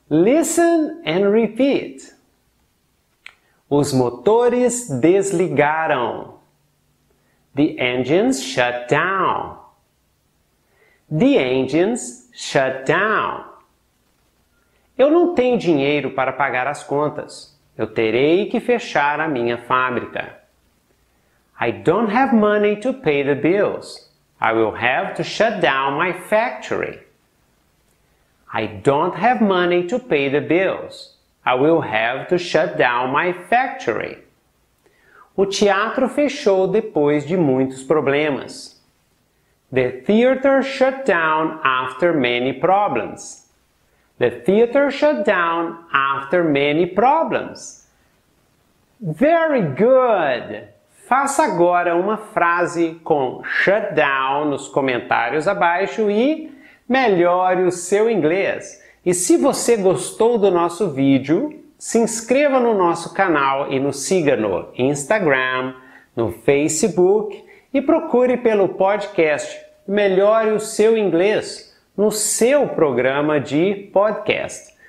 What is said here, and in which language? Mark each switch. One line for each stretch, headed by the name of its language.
English: Listen and repeat.
Portuguese: Os motores desligaram.
English: The engines shut down. The engines shut down.
Portuguese: Eu não tenho dinheiro para pagar as contas. Eu terei que fechar a minha fábrica.
English: I don't have money to pay the bills. I will have to shut down my factory. I don't have money to pay the bills. I will have to shut down my factory.
Portuguese: O teatro fechou depois de muitos problemas.
English: The theater shut down after many problems. The theater shut down after many problems. Very good!
Portuguese: Faça agora uma frase com shut down nos comentários abaixo e melhore o seu inglês. E se você gostou do nosso vídeo, se inscreva no nosso canal e nos siga no Instagram, no Facebook e procure pelo podcast Melhore o Seu Inglês no seu programa de podcast.